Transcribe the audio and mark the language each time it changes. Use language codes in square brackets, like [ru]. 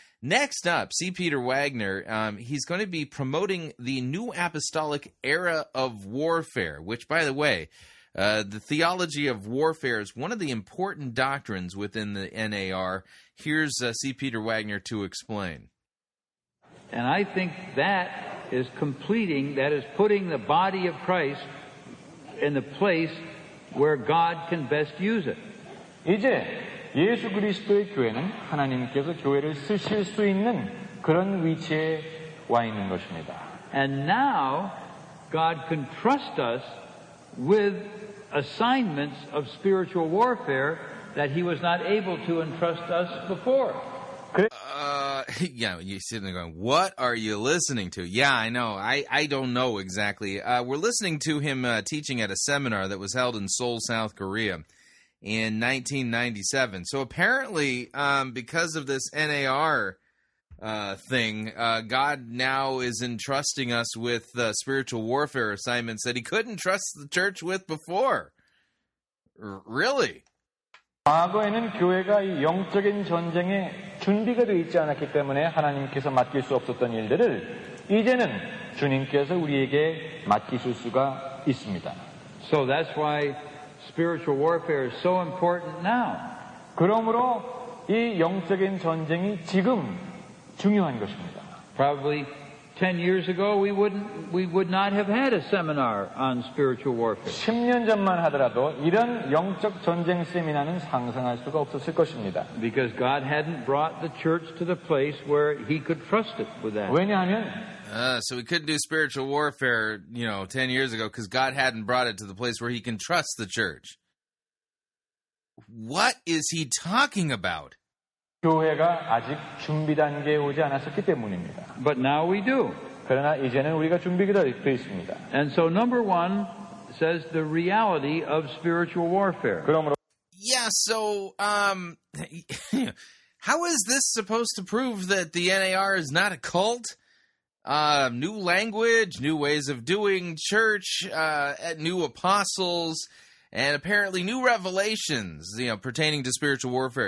[en] Next up, see Peter Wagner. He's going to be promoting the New Apostolic Era of Warfare, which, by the way, the theology of warfare is one of the important doctrines within the NAR. Here's see Peter Wagner to explain. And I think that is completing, that is putting the body of Christ in the place where God can best use it. [ko] 이제 예수 그리스도의 교회는 하나님께서 교회를 쓰실 수 있는 그런 위치에 와 있는 것입니다. [en] And now God can trust us with assignments of spiritual warfare that he was not able to entrust us before. Yeah, you're sitting there going, what are you listening to? Yeah, I know. I don't know exactly. We're listening to him teaching at a seminar that was held in Seoul, South Korea in 1997. So apparently, because of this NAR thing, God now is entrusting us with spiritual warfare assignments that he couldn't trust the church with before. Really? [ko] 과거에는 교회가 영적인 전쟁에 준비가 되어 있지 않았기 때문에 하나님께서 맡길 수 없었던 일들을 이제는 주님께서 우리에게 맡기실 수가 있습니다. [en] So that's why spiritual warfare is so important now. [ko] 그러므로 이 영적인 전쟁이 지금 중요한 것입니다. [en] Probably 10 years ago we would not have had a seminar on spiritual warfare. [ko] 10년 전만 하더라도 이런 영적 전쟁 세미나는 상상할 수가 없었을 것입니다. [en] Because God hadn't brought the church to the place where he could trust it with that. [ko] 왜냐하면 [en] so we couldn't do spiritual warfare, you know, 10 years ago because God hadn't brought it to the place where he can trust the church. What is he talking about? [ko] 교회가 아직 준비 단계에 오지 않았었기 때문입니다. [en] But now we do. [ko] 그러나 이제는 우리가 준비가 되어 있습니다. [en] And so number one says the reality of spiritual warfare. [ko] 그러므로 [en] Yeah, so how is this supposed to prove that the NAR is not a cult? New language, new ways of doing church, new apostles, and apparently new revelations, you know, pertaining to spiritual warfare.